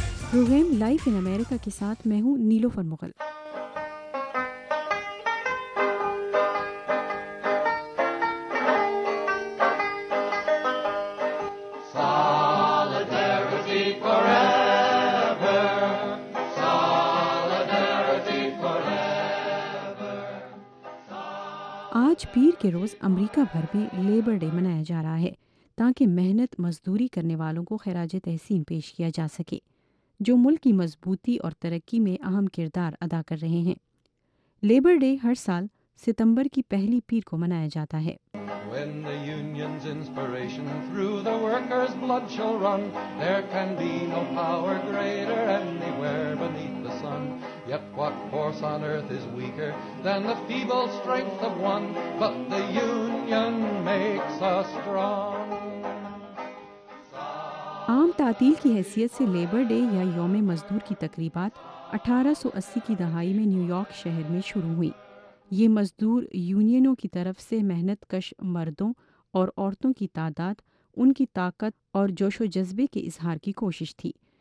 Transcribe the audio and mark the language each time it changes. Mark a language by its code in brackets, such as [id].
[ur] Programme life ان امریکہ کے ساتھ میں ہوں نیلوفر مغل۔ آج پیر کے روز امریکہ بھر میں لیبر ڈے منایا جا رہا ہے تاکہ محنت مزدوری کرنے والوں کو خراج تحسین پیش کیا جا سکے جو ملک کی مضبوطی اور ترقی میں اہم کردار ادا کر رہے ہیں۔ لیبر ڈے ہر سال ستمبر کی پہلی پیر کو منایا جاتا ہے۔ [en] When the union's inspiration through the workers' blood shall run, there can be no power greater anywhere beneath the sun. Yet what force on earth is weaker than the feeble strength of one? But the union makes us strong. [ur] عام تعطیل کی حیثیت سے labour day یا یوم مزدور کی تقریبات 1880 کی دہائی میں نیو یارک شہر میں شروع ہوئیں۔ یہ مزدور یونینوں کی طرف سے محنت کش مردوں اور عورتوں کی تعداد، ان کی طاقت اور جوش و جذبے کے اظہار کی کوشش تھی۔